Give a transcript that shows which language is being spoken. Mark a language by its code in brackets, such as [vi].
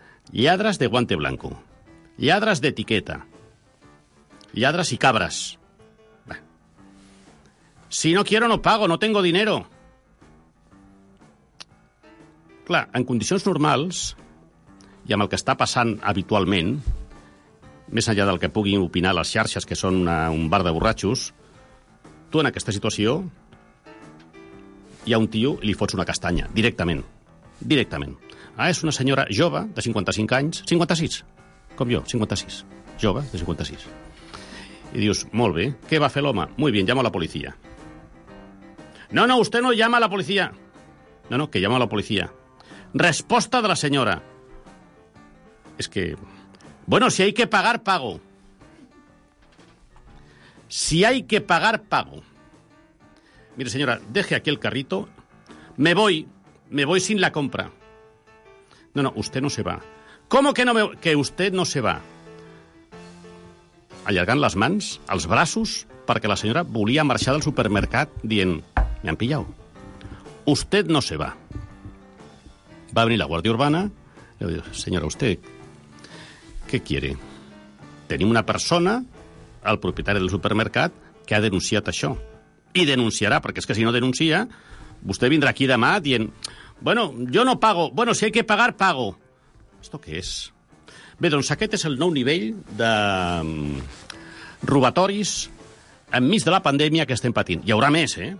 [ca] Lladres de guante blanco. Lladres d'etiqueta. Lladres i cabres. [es] Si no quiero, no pago, no tengo dinero. [ca] Clar, en condicions normals, i amb el que està passant habitualment, més enllà del que puguin opinar les xarxes, que són un bar de borratxos, tu en aquesta situació hi ha un tio i li fots una castanya, directament. Directament. Ah, és una senyora jove, de 55 anys, 56, com jo, 56. Jove, de 56. I dius, molt bé, què va fer l'home? [es] Muy bien, llamo a la policía. No, no, usted no llama a la policía. No, no, que llama a la policía. [ca] Resposta de la señora. Es que... [es] Bueno, si hay que pagar, pago. Si hay que pagar, pago. Mire, señora, deje aquí el carrito. Me voy sin la compra. No, no, usted no se va. ¿Cómo que no me... que usted no se va? [ca] Allargant les mans, els braços, perquè la senyora volia marxar del supermercat dient... [es] Me han pillado. Usted no se va. Va a venir la Guardia Urbana. Le digo, señora, usted, ¿qué quiere? [ca] Tenim una persona, el propietari del supermercat, que ha denunciat això. I denunciarà, perquè és que si no denuncia, vostè vindrà aquí demà dient, [es] bueno, yo no pago. Bueno, si hay que pagar, pago. ¿Esto qué es? [ca] Bé, doncs aquest és el nou nivell de robatoris enmig de la pandèmia que estem patint. Hi haurà més, eh?